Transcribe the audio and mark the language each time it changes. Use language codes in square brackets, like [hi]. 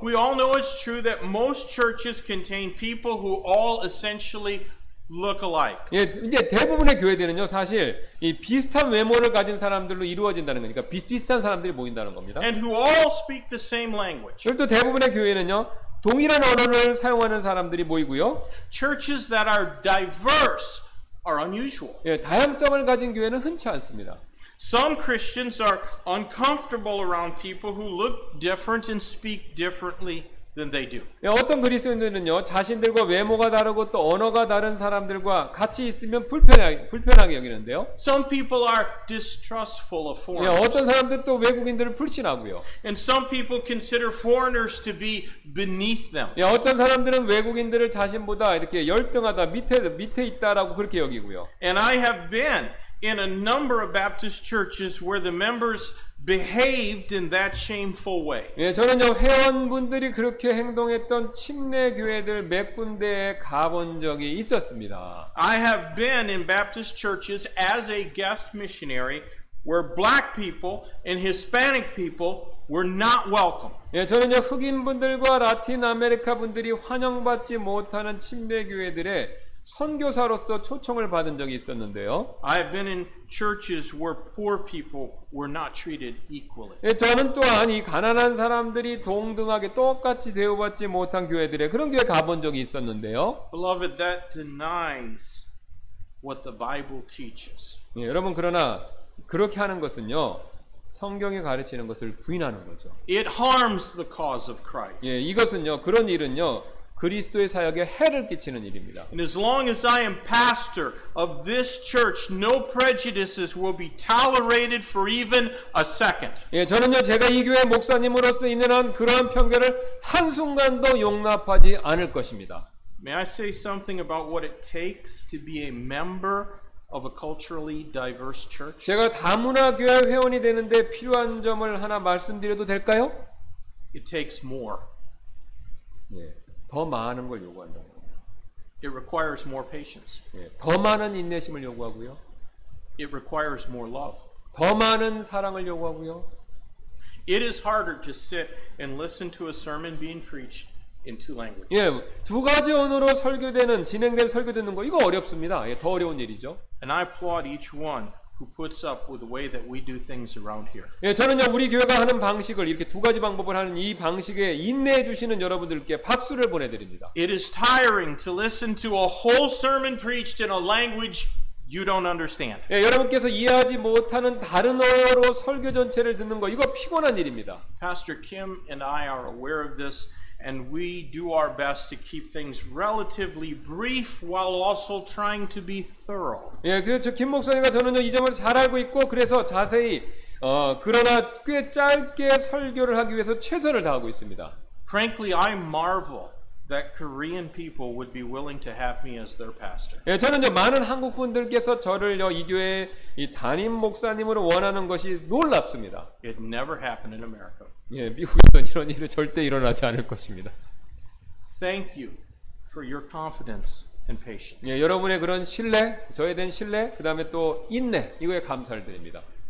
[en] We all know it's true that most churches contain people who all essentially look alike. [ko] 예, 이제 대부분의 교회들은요, 사실 이 비슷한 외모를 가진 사람들로 이루어진다는 거니까 비슷한 사람들이 모인다는 겁니다. [en] And who all speak the same language. [ko] 그리고 또 대부분의 교회는요, 동일한 언어를 사용하는 사람들이 모이고요. [en] Churches that are diverse are unusual. [ko] 예, 다양성을 가진 교회는 흔치 않습니다. [en] Some Christians are uncomfortable around people who look different and speak differently. Than they do. [ko] 예, 어떤 그리스도인들은요 자신들과 외모가 다르고 또 언어가 다른 사람들과 같이 있으면 불편하게 여기는데요. [en] Some people are distrustful of foreigners. [ko] 예, 어떤 사람들 또 외국인들을 불신하고요. [en] And some people consider foreigners to be beneath them. [ko] 예, 어떤 사람들은 외국인들을 자신보다 이렇게 열등하다 밑에 있다라고 그렇게 여기고요. [en] And I have been in a number of Baptist churches where the members behaved in that shameful way. [ko] 예, 저는요 회원분들이 그렇게 행동했던 침례 교회들 몇 군데에 가본 적이 있었습니다. [en] I have been in Baptist churches as a guest missionary where black people and Hispanic people were not welcome. [ko] 예, 저는요 흑인 분들과 라틴 아메리카 분들이 환영받지 못하는 침례 교회들에 선교사로서 초청을 받은 적이 있었는데요. [en] I've been in churches where poor people were not treated equally. [ko] 예, 저는 또한 이 가난한 사람들이 동등하게 똑같이 대우받지 못한 교회들에 그런 교회 가본 적이 있었는데요. [en] Beloved, that denies what the Bible teaches. [ko] 예, 여러분 그러나 그렇게 하는 것은요. 성경이 가르치는 것을 부인하는 거죠. [en] It harms the cause of Christ. [ko] 예, 이것은요. 그런 일은요. 그리스도의 사역에 해를 끼치는 일입니다. [en] And as long as I am pastor of this church, no prejudices will be tolerated for even a second. [ko] 예, 저는요 제가 이 교회 목사님으로서 있는 한 그러한 편견을 한 순간도 용납하지 않을 것입니다. [en] May I say something about what it takes to be a member of a culturally diverse church? [ko] 제가 다문화 교회 회원이 되는데 필요한 점을 하나 말씀드려도 될까요? [en] It takes more. [ko] 예. 더 많은 걸 요구한다. [en] It requires more patience. [ko] 예, 더 많은 인내심을 요구하고요. [en] It requires more love. [ko] 더 많은 사랑을 요구하고요. [en] It is harder to sit and listen to a sermon being preached in two languages. [ko] 예, 두 가지 언어로 설교되는 진행된 설교 듣는 거 이거 어렵습니다. 예, 더 어려운 일이죠. [en] And I applaud each one who puts up with the way that we do things around here. [ko] 예, 저는요 우리 교회가 하는 방식을 이렇게 두 가지 방법을 하는 이 방식에 인내해 주시는 여러분들께 박수를 보내 드립니다. [en] It is tiring to listen to a whole sermon preached in a language you don't understand. [ko] 예, 여러분께서 이해하지 못하는 다른 언어로 설교 전체를 듣는 거 이거 피곤한 일입니다. [en] Pastor Kim and I are aware of this and we do our best to keep things relatively brief while also trying to be thorough. [ko] 예, 그렇죠. 김 목사님과 저는요 이 점을 잘 알고 있고 그래서 자세히 그러나 꽤 짧게 설교를 하기 위해서 최선을 다하고 있습니다. [en] Frankly, I marvel that Korean people would be willing to have me as their pastor. [ko] 예, 저는요 많은 한국 분들께서 저를요 이 교회 이 담임 목사님으로 원하는 것이 놀랍습니다. [en] It never happened in America. [ko] 예, 미국에서 이런 일은 절대 일어나지 않을 것입니다. [en] Thank you for your confidence and patience. [ko] 예, 여러분의 그런 신뢰, 저에 대한 신뢰, 그 다음에 또 인내, 이거에 감사를 드립니다.